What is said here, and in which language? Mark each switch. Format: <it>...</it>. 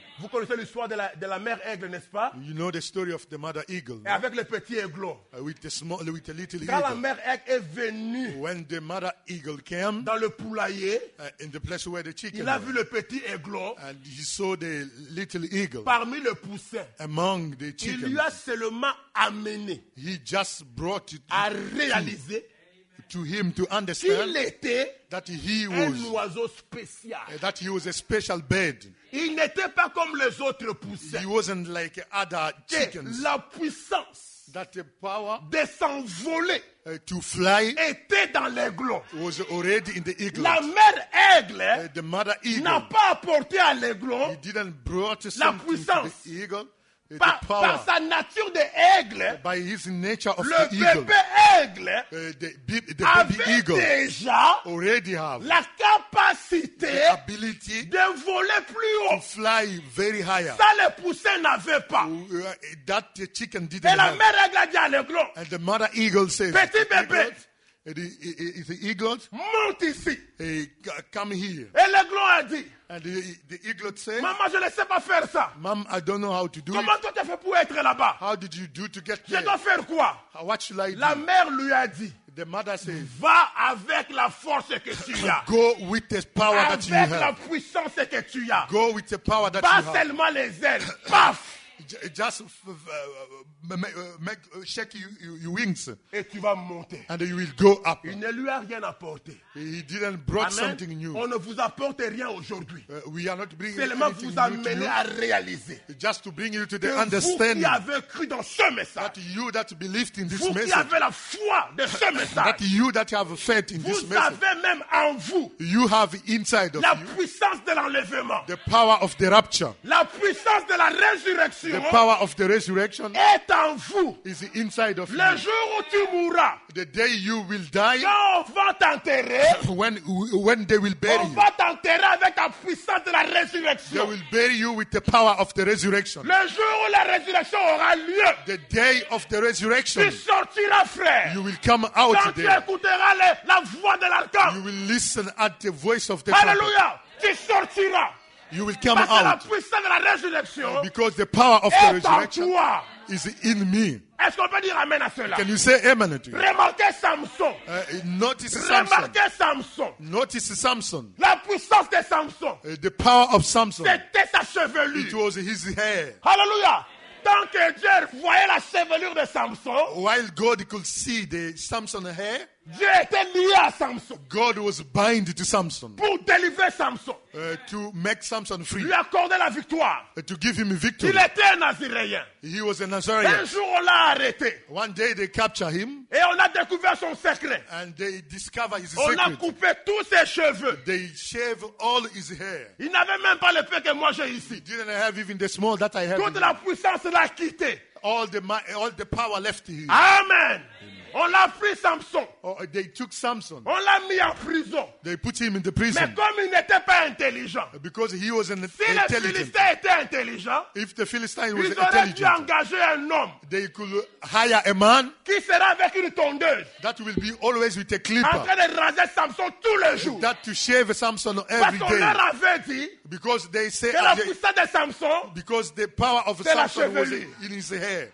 <fr>Vous connaissez l'histoire de la mère aigle, n'est-ce pas?</fr> <en>You know the story of the mother eagle.</en> <fr>Et avec le petit aigle.</fr> <en>With the little</en> <fr>quand</fr> <en>eagle.</en> <fr>La mère aigle est venue.</fr> <en>When the mother eagle came.</en> <fr>Dans le poulailler.</fr> <en>In the place where the chicken.</en> <fr>Il a vu le petit aigle.</fr> <en>And he saw the little eagle.</en> <fr>Parmi le poussin.</fr> <en>Among the chickens.</en> <fr>Il lui a seulement amené.</fr> <en>He just brought it.</en> <fr>À réaliser.</fr> <en>To him to understand that he was</en> <fr>un oiseau spécial.</fr> <en>That he was a special bird.</en> <fr>Il n'était pas comme les autres poussins.</fr> <en>He wasn't like other chickens.</en> <fr>La puissance</fr> <en>that the power</en> <fr>de s'envoler</fr> <en>to fly</en> <fr>était dans l'aigle.</fr> <en>Was already in the eagle.</en> <fr>La mère aigle</fr> <en>the mother eagle</en> <fr>n'a pas apporté à l'aigle.</fr> <en>He didn't brought something</en> <fr>la puissance</fr> <en>to the eagle.</en> <fr>Par sa nature de aigle,</fr> <en>by his nature of</en> <fr>le</fr> <en>the eagle,</en> <fr>bébé aigle</fr> <en>the baby</en> <fr>avait</fr> <en>eagle</en> <fr>déjà</fr> <en>already have</en> <fr>la capacité</fr> <en>the ability</en> <fr>de voler plus haut.</fr> <en>To fly very higher.</en> <fr>Ça, le poussin n'avait pas.</fr> <en>That the chicken didn't</en> <fr>et la</fr> <en>have.</en> <fr>Mère aigle a dit à l'aigle,</fr> <en>and the mother eagle says,</en> <fr>petit bébé,</fr> <en>the eagle,</en> <fr>monte ici.</fr> <en>Come here.</en> <fr>Et l'aigle a dit,</fr> <en>and the eagle said,</en> <fr>maman, je ne sais pas faire ça.</fr> <en>Mom, I don't know how to do</en> <fr>comment</fr> <en>it.</en> <fr>Comment tu fais pour être là-bas?</fr> <en>How did you do to get</en> <fr>je dois faire quoi?</fr> <en>What should I do?</en> <fr>La mère lui a dit,</fr> <en>the mother said,</en> <fr>va avec la force que tu as.</fr> <en>Go with the power</en> <fr>avec</fr> <en>that you have.</en> <fr>Avec la puissance que tu as.</fr> <en>Go with the power that</en> <fr>pas</fr> <en>you have.</en> <fr>Pas seulement les ailes. Paf!</fr> <en>Just make shake your wings.</en> <fr>Et tu vas monter.</fr> <en>And you will go up.</en> <fr>Il ne lui a rien apporté.</fr> <en>He didn't brought</en> <fr>amen</fr> <en>something new.</en> <fr>On ne vous apporte rien aujourd'hui.</fr> <en>We are not bringing</en> <fr>seulement</fr> <en>anything</en> <fr>vous</fr> <en>new</en> <fr>amener</fr> <en>to you.</en> <fr>À réaliser.</fr> <en>Just to bring you to the</en> <fr>que</fr> <en>understanding.</en> <fr>Vous qui avez cru dans ce message.</fr> <en>That you that believed in this</en> <fr>vous</fr> <en>message.</en> <fr>Vous qui avez la foi de ce message.</fr> <en>That you that have faith in</en> <fr>vous</fr> <en>this message.</en> <fr>Vous avez même en vous.</fr> <en>You have inside of</en> <fr>la</fr> <en>you</en> <fr>puissance de l'enlèvement.</fr> <en>The power of the rapture.</en> <fr>La puissance de la résurrection.</fr> <en>the power of the resurrection</en> <fr>est en vous.</fr> <en>Is inside of</en> <fr>le</fr> <en>you.</en> <fr>Jour où tu mourras,</fr> <en>the day you will die,</en> <fr>quand on va t'enterrer,</fr> <en>when they will bury</en> <fr>on</fr> <en>you,</en> <fr>va t'enterrer avec la puissance de la résurrection.</fr> <en>They will bury you with the power of the resurrection.</en> <fr>Le jour où la résurrection aura lieu,</fr> <en>the day of the resurrection,</en> <fr>tu sortiras, frère.</fr> <en>You will come out</en> <fr>quand</fr> <en>there.</en> <fr>Tu écouteras la voix de l'archange.</fr> <en>You will listen at the voice of the</en> <fr>Alléluia. Tu sortiras.</fr> <en>You will come</en> <fr>parce</fr> <en>out.</en> <fr>La puissance de la résurrection</fr> <en>because the power of</en> <fr>est</fr> <en>the resurrection</en> <fr>toi.</fr> <en>Is in me.</en> <fr>Est-ce qu'on peut dire amen à cela?</fr> <en>Can you say amen to you?</en> <fr>Remarquez Samson.</fr> <en>Notice</en> <fr>Samson. Remarquez Samson.</fr> <en>Notice Samson.</en> <fr>La puissance de Samson.</fr> <en>The power of Samson.</en> <fr>C'était sa chevelure.</fr> <en>It was his hair.</en> <fr>Hallelujah. Tant que Dieu voyait la chevelure de Samson,</fr> <en>while God could see the Samson hair,</en> <fr>Dieu était lié à Samson.</fr> <en>God was bound to Samson.</en> <fr>Pour délivrer Samson.</fr> <en>To make Samson free.</en> <fr>Lui accorder la victoire.</fr> <en>To give him victory.</en> <fr>Il était un Nazirien.</fr> <en>He was a Nazarene.</en> <fr>Un jour on l'a arrêté.</fr> <en>One day they capture him.</en> <fr>Et on a découvert son secret.</fr> <en>And they discover his</en> <fr>on</fr> <en>secret.</en> <fr>On a coupé tous ses cheveux.</fr> <en>They shave all his hair.</en> <fr>Il n'avait même pas le peu que moi j'ai ici.</fr> <en>He didn't have even the small that I have.</en> <fr>Toute la puissance l'a quitté.</fr> <en>All the power left him.</en> <fr>Amen. On l'a pris Samson.</fr> <en>Oh, they took Samson.</en> <fr>On l'a mis en prison.</fr> <en>They put him in the prison.</en> <fr>Mais comme il n'était pas intelligent.</fr> <en>Because he was intelligent.</en> <fr>Si le Philistin était intelligent.</fr> <en>If the Philistine was intelligent.</en> <fr>Ils auraient dû engager un homme.</fr> <en>They could hire a man.</en> <fr>Qui sera avec une tondeuse.</fr> <en>That will be always with a clipper.</en> <fr>En train de raser Samson tous les jours.</fr> <en>That to shave Samson every day.</en> <fr>Parce qu'on leur avait dit.</fr> <en>Because they say.</en> <fr>Que la puissance de Samson.</fr> <en>Because the power of Samson was in his hair.</en>